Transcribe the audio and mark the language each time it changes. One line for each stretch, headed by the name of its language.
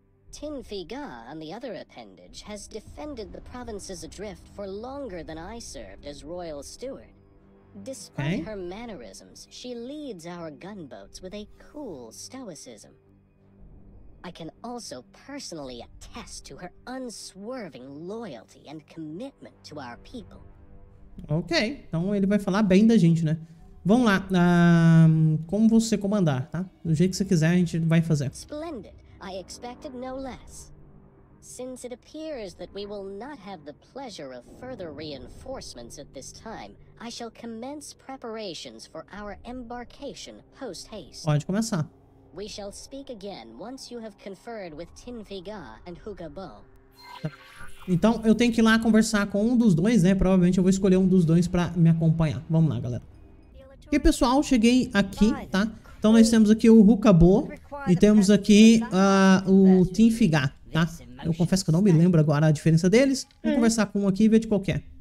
English: Tin Figa and the other appendage has defended the provinces adrift for longer than I served as royal steward. Despite her mannerisms, she leads our gunboats with a cool stoicism. I can also personally attest to her unswerving loyalty and commitment to our people.
Portuguese: Ok, então ele vai falar bem da gente, né? Vamos lá, como você comandar, tá? Do jeito que você quiser, a gente vai fazer.
English: Splendid. I expected no less. Since it appears that we will not have the pleasure of further reinforcements at this time, I shall commence preparations for our embarcation post haste.
Portuguese: Pode começar.
English: We shall speak again once you have conferred with Tin Figa and Huka Bo.
Portuguese: Então eu tenho que ir lá conversar com um dos dois, né? Provavelmente eu vou escolher um dos dois para me acompanhar. Vamos lá, galera. E pessoal, cheguei aqui, tá? Então nós temos aqui o Huka Bo e temos aqui o Tin Figa, tá? Eu confesso que eu não me lembro agora a diferença deles. Vou conversar com um aqui e ver de qual é.